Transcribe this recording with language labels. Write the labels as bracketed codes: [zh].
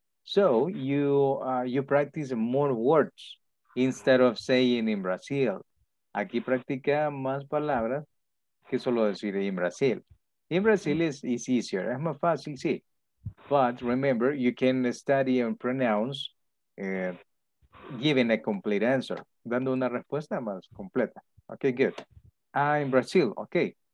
[en] So you practice more words instead of saying in Brazil. [es] Aquí practica más palabras que solo decir in Brazil. [en] In Brazil is easier. [es] Es más fácil, sí. [en] But remember, you can study and pronounce giving a complete answer. [es] Dando una respuesta más completa. [en] Okay, good. [es] Ah, in Brazil, okay.